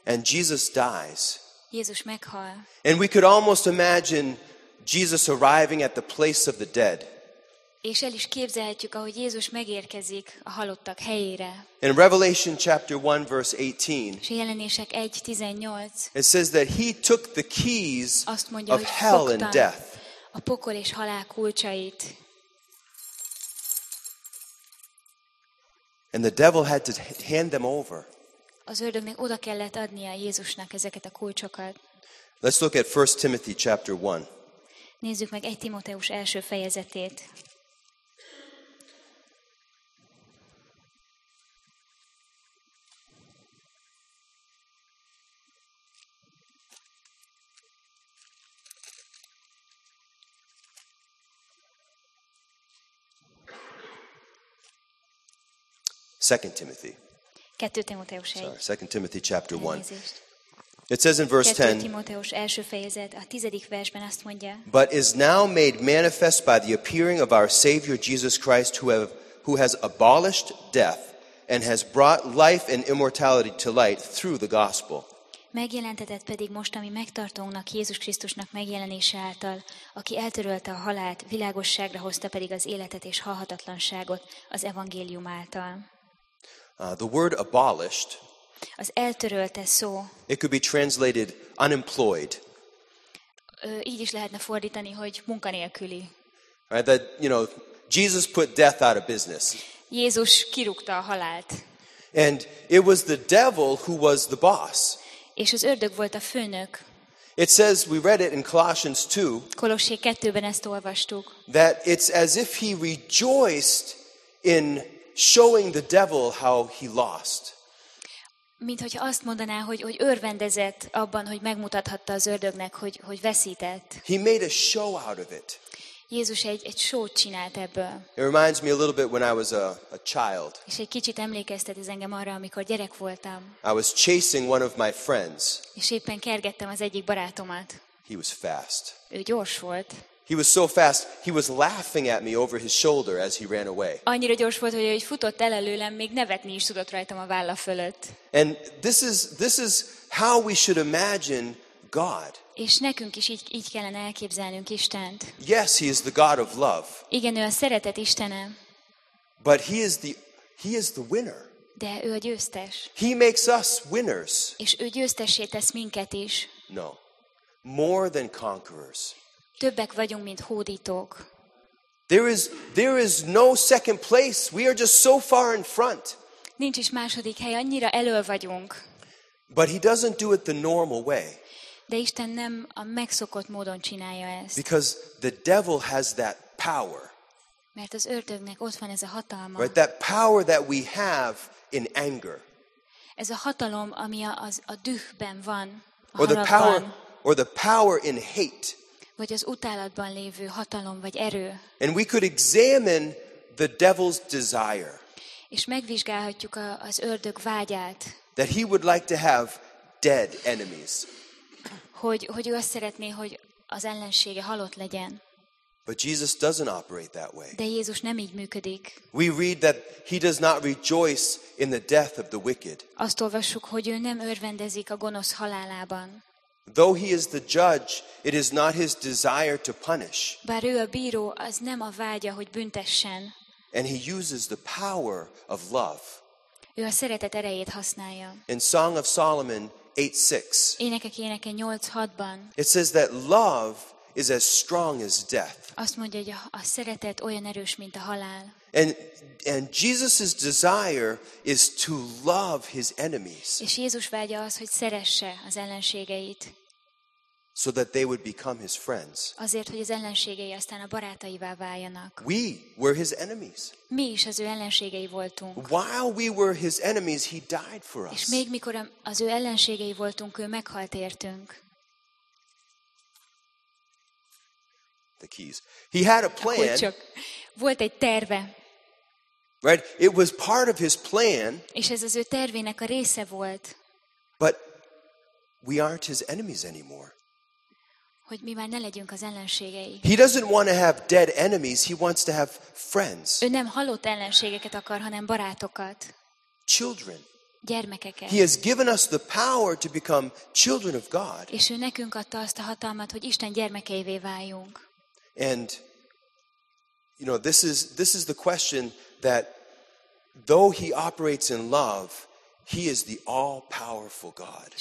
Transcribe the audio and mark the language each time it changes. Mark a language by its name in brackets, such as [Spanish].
[English] And Jesus dies. [Hungarian] Jézus meghal. [English] And we could almost imagine Jesus arriving at the place of the dead. [Hungarian] És el is képzelhetjük, ahogy Jézus megérkezik a halottak helyére. [English] In Revelation chapter 1 verse 18. [Hungarian] És a Jelenések 1:18. [English] It says that he took the keys [Hungarian] azt mondja, [English] of hell and death. [Hungarian] A pokol és halál kulcsait. [English] And the devil had to hand them over. [Hungarian] Az ördögnek oda kellett adnia Jézusnak ezeket a kulcsokat. [English] Let's look at 1 Timothy chapter 1. [Hungarian] Nézzük meg 1 Timóteus első fejezetét. [English] Second Timothy. [Hungarian] 2 Timóteus 1. [English] Sorry, 2 Timothy chapter 1. It says in verse [Hungarian] 10. 2 Timóteus első fejezet, a 10. versben azt mondja. [English] But is now made manifest by the appearing of our Savior Jesus Christ, who has abolished death and has brought life and immortality to light through the gospel. [Hungarian] Megjelentetett pedig most a mi megtartónknak Jézus Krisztusnak megjelenése által, aki eltörölte a halált, világosságra hozta pedig az életet és halhatatlanságot az evangélium által. [English] The word abolished. [Hungarian] Az eltörölte szó. [English] It could be translated unemployed. [Hungarian] Így is lehetne fordítani, hogy munkanélküli. [English] Right, that, you know, Jesus put death out of business. [Hungarian] Jézus kirúgta a halált. [English] And it was the devil who was the boss. [Hungarian] És az ördög volt a főnök. [English] It says, we read it in Colossians 2. [Hungarian] Kolossé 2-ben ezt olvastuk. [English] That it's as if he rejoiced in showing the devil how he lost. [Hungarian] Mint hogyha azt mondaná, hogy örvendezett abban, hogy megmutathatta az ördögnek, hogy veszített. [English] He made a show out of it. [Hungarian] Jézus egy showt csinált ebből. [English] It reminds me a little bit when I was a child. [Hungarian] És egy kicsit emlékeztet ez engem arra, amikor gyerek voltam. [English] I was chasing one of my friends. [Hungarian] És éppen kergettem az egyik barátomat. [English] He was fast. [Hungarian] Ő gyors volt. [English] He was so fast, he was laughing at me over his shoulder as he ran away. [Hungarian] Annyira gyors volt, hogy futott el előlem, még nevetni is tudott rajtam a válla fölött. [English] And this is how we should imagine God. [Hungarian] És nekünk is így kellene elképzelnünk Istent. [English] Yes, he is the God of love. [Hungarian] Igen, ő a szeretet Istene. [English] But he is the winner. [Hungarian] De ő a győztes. [English] He makes us winners. [Hungarian] És ő győztessé tesz minket is. [English] No. More than conquerors. [Hungarian] Többek vagyunk, mint hódítók. [English] There is no second place. We are just so far in front. [Hungarian] Nincs is második hely, annyira elől vagyunk. [English] But he doesn't do it the normal way. [Hungarian] De Isten nem a megszokott módon csinálja ezt. [English] Because the devil has that power. [Hungarian] Mert az ördögnek ott van ez a hatalma. [English] Right, that power that we have in anger. [Hungarian] Ez a hatalom, ami a dühben van, a haragban. [English] Or the power in hate. [Hungarian] Vagy az utálatban lévő hatalom vagy erő. [English] And we could examine the devil's desire. [Hungarian] És megvizsgálhatjuk az ördög vágyát. [English] That he would like to have dead enemies. [Hungarian] Hogy ő azt szeretné, hogy az ellensége halott legyen. [English] But Jesus doesn't operate that way. [Hungarian] De Jézus nem így működik. [English] We read that he does not rejoice in the death of the wicked. [Hungarian] Azt olvassuk, hogy ő nem örvendezik a gonosz halálában. [English] Though he is the judge, it is not his desire to punish. [Hungarian] Bár ő a bíró, az nem a vágya, hogy büntessen. [English] And he uses the power of love. [Hungarian] Ő a szeretet erejét használja. [English] In Song of Solomon 8:6. [Hungarian] Énekek éneke 8:6-ban. [English] It says that love is as strong as death. [Hungarian] Azt mondja, hogy a szeretet olyan erős, mint a halál. [English] And Jesus's desire is to love his enemies. [Hungarian] És Jézus vágya az, hogy szeresse az ellenségeit. [English] So that they would become his friends. [Hungarian] Azért, hogy az ellenségei aztán a barátaivá váljanak. [English] We were his enemies. [Hungarian] Mi is az ő ellenségei voltunk. [English] While we were his enemies, he died for us. [Hungarian] És még mikor az ő ellenségei voltunk, ő meghalt értünk. [English] the keys. He had a plan. [Hungarian] Volt egy terve. [English] Right? It was part of his plan. [Hungarian] És ez az ő tervének a része volt. [English] But we aren't his enemies anymore. [Hungarian] Hogy mi már ne legyünk az ellenségei. [English] He doesn't want to have dead enemies, he wants to have friends. [Hungarian] Ő nem halott ellenségeket akar, hanem barátokat. [English] Children. [Hungarian] Gyermekeket. [English] He has given us the power to become children of God. [Hungarian] És ő nekünk adta azt a hatalmat, hogy Isten gyermekeivé váljunk. [English] And you know, this is the question that though he operates in love, he is the all-powerful God.